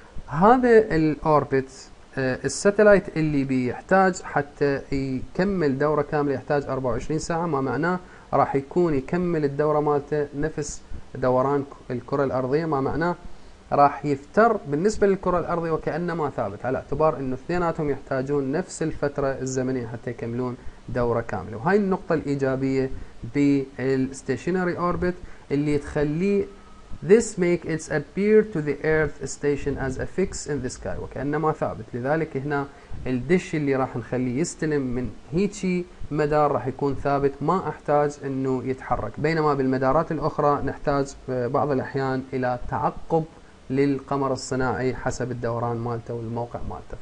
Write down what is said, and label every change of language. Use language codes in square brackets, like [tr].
[ar] هذا الأوربت الساتلايت اللي بيحتاج حتى يكمل دورة كاملة يحتاج 24 ساعة، ما معناه راح يكون يكمل الدورة مالته نفس دوران الكرة الأرضية، ما معناه راح يفتر بالنسبة للكرة الأرضية وكأنما ثابت على اعتبار أنه اثنيناتهم يحتاجون نفس الفترة الزمنية حتى يكملون دورة كاملة. وهي النقطة الإيجابية بالستيشنري أوربت اللي تخليه [en] this make its appear to the earth station as a fix in the sky، [ar] وكأنما ثابت. لذلك هنا الدش اللي راح نخليه يستلم من هيتشي مدار راح يكون ثابت، ما احتاج انه يتحرك، بينما بالمدارات الاخرى نحتاج بعض الاحيان الى تعقب للقمر الصناعي حسب الدوران مالته والموقع مالته.